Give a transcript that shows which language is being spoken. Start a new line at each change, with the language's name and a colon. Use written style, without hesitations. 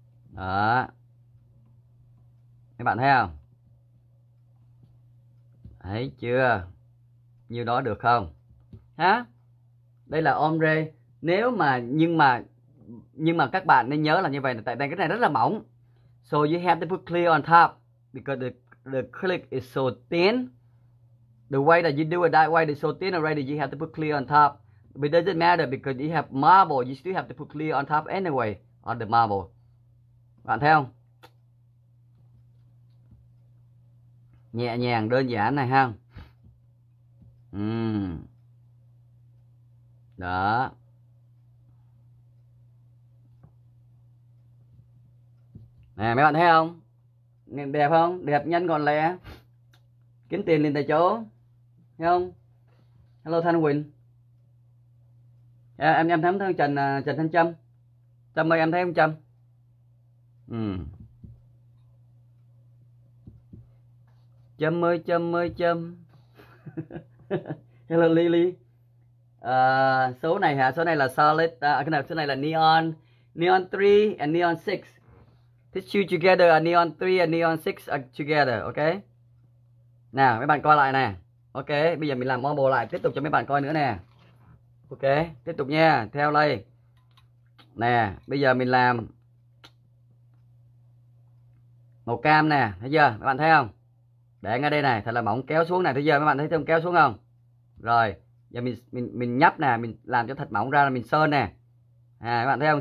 Vietnamese: Đó. Các bạn thấy không? Thấy chưa? Như đó được không? Hả? Đây là ombre. Nếu mà nhưng mà các bạn nên nhớ là như vậy này, tại vì cái này rất là mỏng.
English: So you have to put clear on top because the acrylic is so thin. The way that you do it that way is so thin already, you have to put clear on top. But it doesn't matter because you have marble, you still have to put clear on top anyway on the marble.
Vietnamese: Bạn thấy không? Nhẹ nhàng đơn giản này ha. Đó. Nè mấy bạn thấy không? Đẹp không? Đẹp nhanh gọn lẹ. Kiếm tiền liền tại chỗ. Thấy không? Hello Thanh Quỳnh. À, em thấy thằng Trần Trần Thanh Trâm. Trâm ơi em thấy không Trâm? Trâm ơi Trâm ơi Trâm. Hello Lily. À, số này hả? Số này là solid, à, cái nào? Số này là neon. Neon 3 and neon 6.
English: These two together are neon 3 and neon 6 are together, ok?
Vietnamese: Nào, mấy bạn coi lại nè. Ok, bây giờ mình làm marble lại, tiếp tục cho mấy bạn coi nữa nè. Ok, tiếp tục nha, theo đây. Nè, bây giờ mình làm màu cam nè, thấy chưa? Mấy bạn thấy không? Để ngay đây này, thật là mỏng, kéo xuống này, thấy chưa? Mấy bạn thấy không kéo xuống không? Rồi, giờ mình nhấp nè, mình làm cho thật mỏng ra là mình sơn nè. À, mấy bạn thấy không?